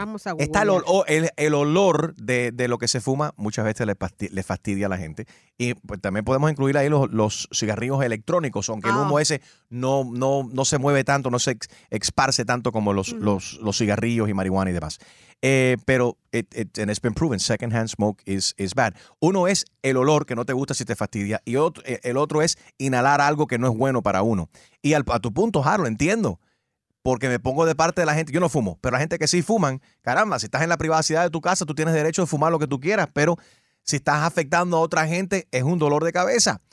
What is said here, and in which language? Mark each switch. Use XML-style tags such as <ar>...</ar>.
<es>Vamos a Google. Está el olor de lo que se fuma, muchas veces le fastidia a la gente. Y pues, también podemos incluir ahí los cigarrillos electrónicos, aunque el humo ese no se mueve tanto, no se esparce tanto como los cigarrillos y marihuana y demás. Pero</es> <en>it's been proven, secondhand smoke is bad.</en> <es>Uno es el olor que no te gusta si te fastidia, y el otro es inhalar algo que no es bueno para uno. Y a tu punto, Harold, entiendo, porque me pongo de parte de la gente, yo no fumo, pero la gente que sí fuman, caramba, si estás en la privacidad de tu casa, tú tienes derecho de fumar lo que tú quieras, pero si estás afectando a otra gente, es un dolor de cabeza.</es>